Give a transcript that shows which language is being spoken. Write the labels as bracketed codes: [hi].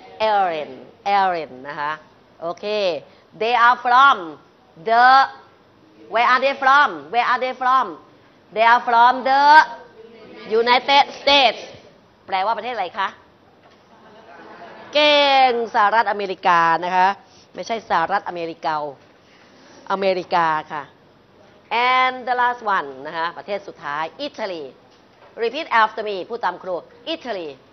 [en] Erin, [th] นะคะ [en] Okay. Where are they from? They are from the [th] United States แปลว่าประเทศอะไรคะเก่งสหรัฐอเมริกานะคะไม่ใช่สหรัฐอเมริกาอเมริกาค่ะ [en] and the last one [th] นะคะประเทศสุดท้ายอิตาลี [en] repeat after me [th] พูดตามครูอิตาลี